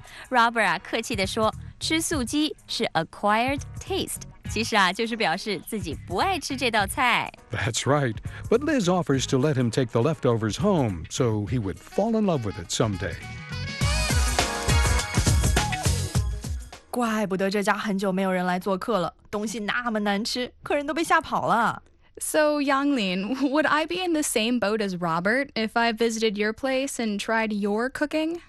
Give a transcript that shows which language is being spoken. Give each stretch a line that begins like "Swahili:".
Chinese: Robert 啊，客气地说，吃素鸡是 acquired taste， 其实啊，就是表示自己不爱吃这道菜。
English: That's right. But Liz offers to let him take the leftovers home, so he would fall in love with it someday.
Chinese: 怪不得这家很久没有人来做客了，东西那么难吃，客人都被吓跑了。
English: So, Yanglin, would I be in the same boat as Robert if I visited your place and tried your cooking?